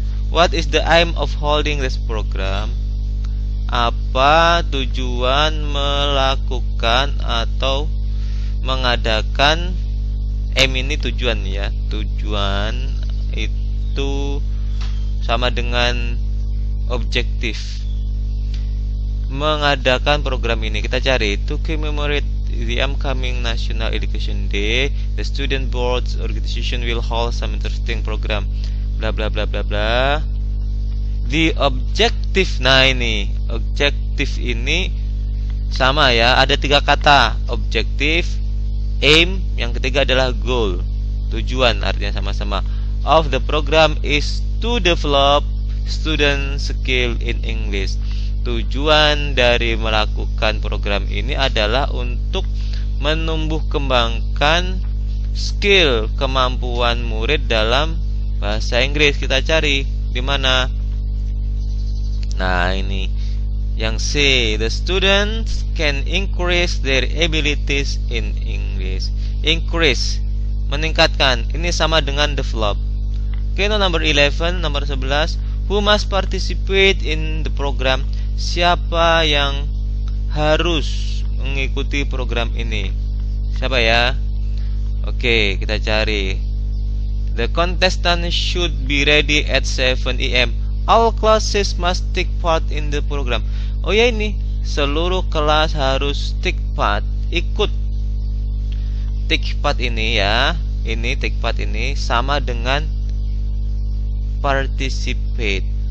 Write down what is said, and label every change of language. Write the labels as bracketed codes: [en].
[en] What is the aim of holding this program? [id] Apa tujuan melakukan atau mengadakan M ini tujuan ya. Tujuan itu sama dengan objektif. Mengadakan program ini, kita cari [en] to commemorate the upcoming National Education Day, the student board's organization will hold some interesting program bla bla bla bla bla. The objective, [id] nah ini objective ini sama ya, ada tiga kata objective, aim, yang ketiga adalah goal, tujuan, artinya sama-sama. [en] Of the program is to develop student skill in English. [id] Tujuan dari melakukan program ini adalah untuk menumbuh kembangkan skill, kemampuan murid dalam bahasa Inggris. Kita cari di mana. Nah, ini yang C. [en] The students can increase their abilities in English. [id] Increase, meningkatkan. Ini sama dengan develop. [en] Okay, no number 11, number 11. Who must participate in the program? [id] Siapa yang harus mengikuti program ini? Siapa ya? Oke, kita cari. [en] The contestant should be ready at 7 AM. All classes must take part in the program. [id] Oh ya, ini seluruh kelas harus take part, ikut. Take part ini ya, ini take part ini sama dengan participate.